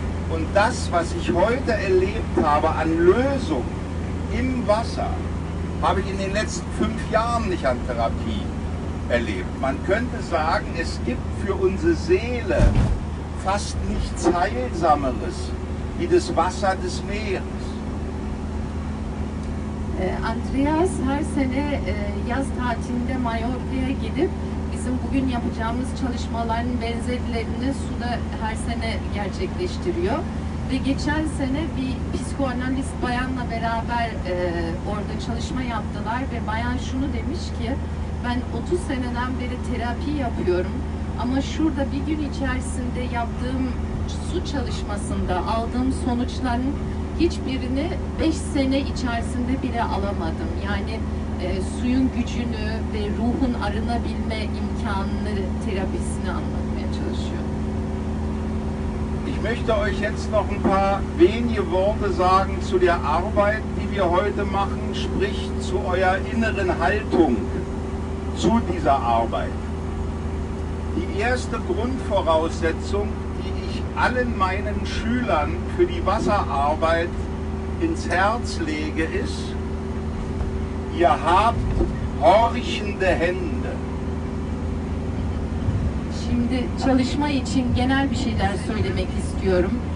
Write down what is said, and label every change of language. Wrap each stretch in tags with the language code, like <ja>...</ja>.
<de>Und das, was ich heute erlebt habe an Lösung im Wasser, habe ich in den letzten 5 Jahren nicht an Therapie erlebt. Man könnte sagen, es gibt für unsere Seele fast nichts Heilsameres wie das Wasser des Meeres.</de> <tr>Andreas her sene yaz tatilinde Mallorca'ya gidip bizim bugün yapacağımız çalışmaların benzerlerini suda her sene gerçekleştiriyor. Ve geçen sene bir psikoanalist bayanla beraber orada çalışma yaptılar ve bayan şunu demiş ki, ben 30 seneden beri terapi yapıyorum ama şurada bir gün içerisinde yaptığım su çalışmasında aldığım sonuçların hiçbirini 5 sene içerisinde bile alamadım. Yani suyun gücünü ve ruhun arınabilme imkanını, terapisini anlatmaya çalışıyorum.</tr> <de>Ich möchte euch jetzt noch ein paar wenige Worte sagen zu der Arbeit, die wir heute machen, sprich zu eurer inneren Haltung zu dieser Arbeit. Die erste Grundvoraussetzung, allen meinen Schülern für die Wasserarbeit ins Herz lege, ist, ihr habt horchende Hände.</de> <tr>Şimdi çalışma için genel bir şeyler söylemek istiyorum.</tr>